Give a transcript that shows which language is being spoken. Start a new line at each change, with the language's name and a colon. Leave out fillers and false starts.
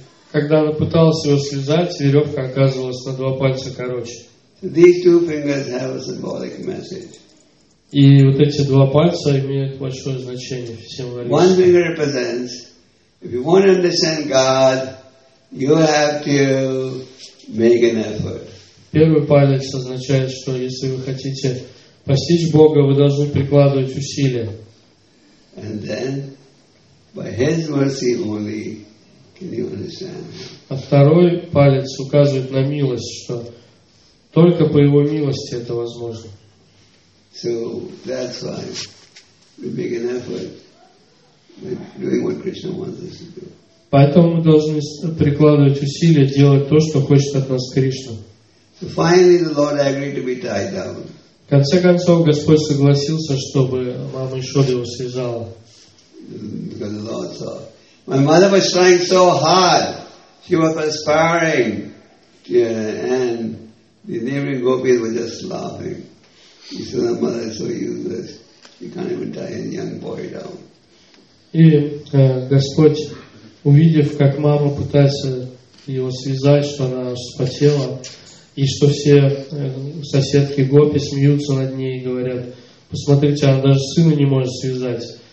Russian: Когда она пыталась его связать, веревка оказывалась на два пальца короче.
English: So these two fingers have a symbolic message.
Russian: И вот эти два пальца имеют большое значение в символике.
English: One finger represents, if you want to understand God, you have to make an effort.
Russian: Первый палец означает, что если вы хотите постичь Бога, вы должны прикладывать усилия.
English: And then, by His mercy only, can you understand.
Russian: А второй палец указывает на милость, что только по Его милости это возможно.
English: So that's why we make an effort with doing what Krishna wants us to do.
Russian: Поэтому мы должны прикладывать усилия делать то, что хочет от нас Кришна.
English: So finally the Lord agreed to be tied down.
Russian: В конце концов Господь согласился, чтобы мама Ишода его связала.
English: Because the Lord saw. My mother was trying so hard. She was perspiring. Yeah, and the neighboring gopis were just laughing. He said, "My mother is so useless. She can't even tie a young boy down."
Russian: И Господь, увидев, как мама пытается его связать, что она вспотела, и что все соседки гопи смеются над ней и говорят, посмотрите, она даже сына не может связать.